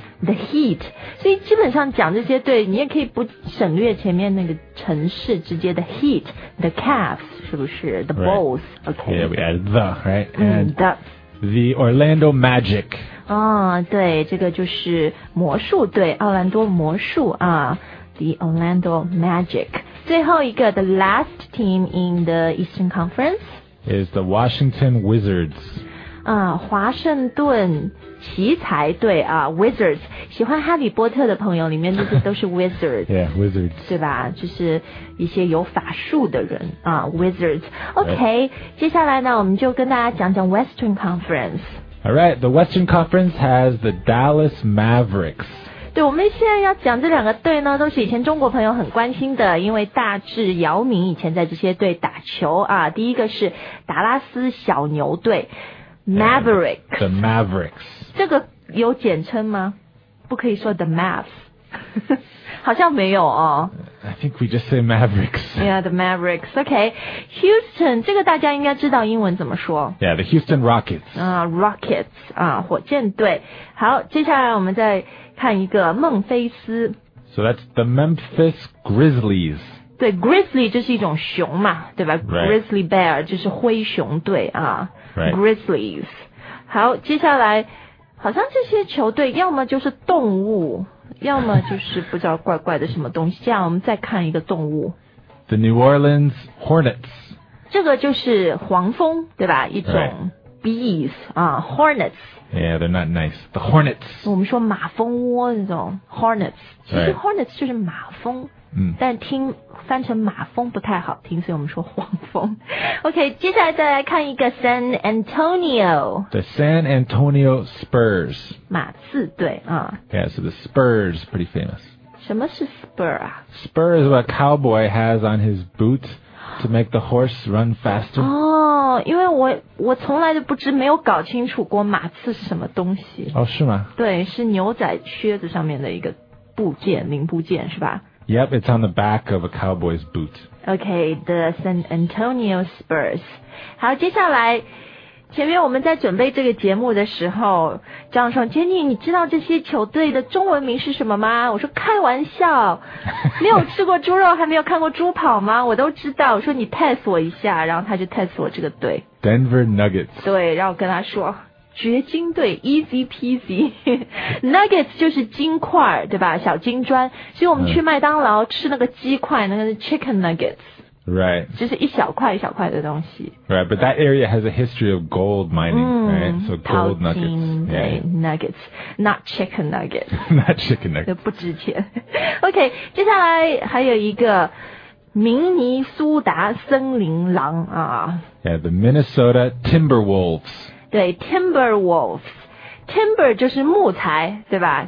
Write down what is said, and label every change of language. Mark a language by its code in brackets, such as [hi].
[zh] The heat， 所以基本上讲这些对你也可以不省略前面那个城市直接的 heat， the Cavs 是不是 the Bulls？ [en] Okay， yeah， we added the right and、 the the Orlando Magic。 [zh] 啊，对，这个就是魔术队，奥兰多魔术啊 ，the Orlando Magic。最后一个 [en] the last team in the Eastern Conference is the Washington Wizards。 [zh] 啊，华盛顿奇才队啊 ，Wizards， 喜欢哈利波特的朋友里面就是都是 Wizards， [en] yeah， Wizards， [zh] 对吧？就是一些有法术的人啊 ，Wizards。OK，、right. 接下来呢，我们就跟大家讲讲 Western Conference。 [en] All right， the Western Conference has the Dallas Mavericks。 [zh] 对，我们现在要讲这两个队呢，都是以前中国朋友很关心的，因为大致姚明以前在这些队打球啊。第一个是达拉斯小牛队。 [en] Mavericks. The Mavericks. [zh] 这个有简称吗？不可以说 the Mavs. 好像没有哦。 [en] I think we just say Mavericks. Yeah, the Mavericks. Okay. [zh] Houston, 这个大家应该知道英文怎么说。 [en] Yeah, the Houston Rockets. [zh] Rockets, 火箭队。好，接下来我们再看一个孟菲斯。 [en] So that's the Memphis Grizzlies. [zh] 对 ，grizzly 就是一种熊嘛，对吧、 [en] right. [zh] ？grizzly bear 就是灰熊队啊、 [en] right. ，grizzlies。 [zh] 好，接下来好像这些球队要么就是动物，要么就是不知道怪怪的什么东西。这样我们再看一个动物 [en] ，the New Orleans Hornets。 [zh] 这个就是黄蜂，对吧？一种 bees 啊、 [en] right. ，hornets。 Yeah, they're not nice. The hornets. [zh] 我们说马蜂窝那种 hornets， 其实 hornets 就是马蜂。嗯，但听翻成马蜂不太好听，所以我们说黄蜂。 OK， 接下来再来看一个 San Antonio。 [en] The San Antonio Spurs。 [zh] 马刺队啊。 [en] Yeah, so the Spurs is pretty famous. [zh] 什么是 spur 啊 [en] ？Spur is what a cowboy has on his boot to make the horse run faster. [zh] 哦，因为我从来都不知没有搞清楚过马刺是什么东西。哦，是吗？对，是牛仔靴子上面的一个部件，零部件是吧？ [en] Yep, it's on the back of a cowboy's boot. Okay, the San Antonio Spurs. [zh] 好，接下来，前面我们在准备这个节目的时候，张双 Jenny， 你知道这些球队的中文名是什么吗？我说开玩笑，没有吃过猪肉，还没有看过猪跑吗？我都知道。我说你 test 我一下，然后他就 test 我这个队 [en] ，Denver Nuggets. [zh] 对，然后跟他说。掘金队 easy peasy nuggets 就是金块对吧小金砖所以我们去麦当劳吃那个鸡块那个是 chicken nuggets [en] right [zh] 就是一小块一小块的东西 [en] right but that area has a history of gold mining、right so gold nuggets yeah nuggets not chicken nuggets not chicken nuggets [zh] 不值钱 ok 接下来还有一个明尼苏达森林狼啊 [en] yeah the Minnesota Timberwolves [zh] 对 ，Timberwolves， timber 就是木材，对吧？